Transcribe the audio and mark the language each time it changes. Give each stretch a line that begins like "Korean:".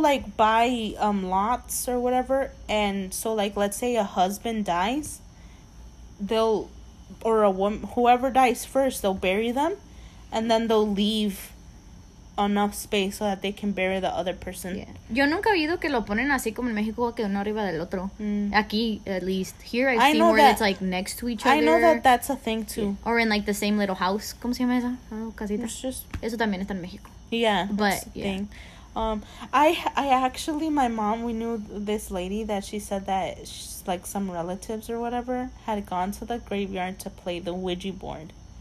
English: Like, buy lots or whatever, and so, like, let's say a husband dies, they'll, or a woman, whoever dies first, they'll bury them, and then they'll leave enough space so that they can bury the other person. Yeah.
Spanish: Yo nunca he oído que lo ponen así como en México, que uno arriba del otro. Mm. Aquí,
English: at least. Here, I've seen where it's, like, next to each other. I know that that's a thing, too. Yeah. Or in, like, the same little house.
Spanish: ¿Cómo se llama esa?
English: Oh,
Spanish: casita.
English: It's just...
Spanish: Eso también está en México.
English: Yeah. But, yeah. Thing. I actually, my mom, we knew this lady that she said that, she's, like, some relatives or whatever had gone to the graveyard to play the Ouija board.